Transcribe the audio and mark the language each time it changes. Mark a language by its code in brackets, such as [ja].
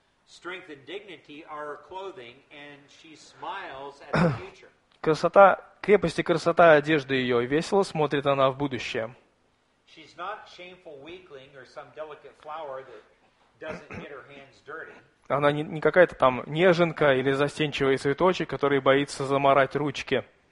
[en] Strength and dignity are her clothing, and she smiles at the future. [ru] Красота, крепость и красота одежды ее, и весело смотрит она в будущее. [en] She's not shameful weakling or some delicate flower that doesn't get her hands dirty. [ru] Она не какая-то там неженка или застенчивый цветочек, который боится замарать ручки.